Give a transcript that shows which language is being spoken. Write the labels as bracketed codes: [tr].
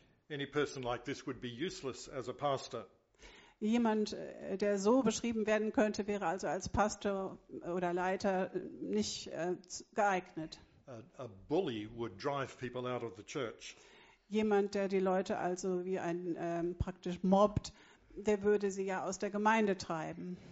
[en] Any person like this would be useless as a pastor. [de] Jemand, der so beschrieben werden könnte, wäre also als Pastor oder Leiter nicht geeignet. [en] A bully would drive people out of the church. [de] Jemand, der die Leute also wie ein praktisch mobbt, der würde sie ja aus der Gemeinde treiben.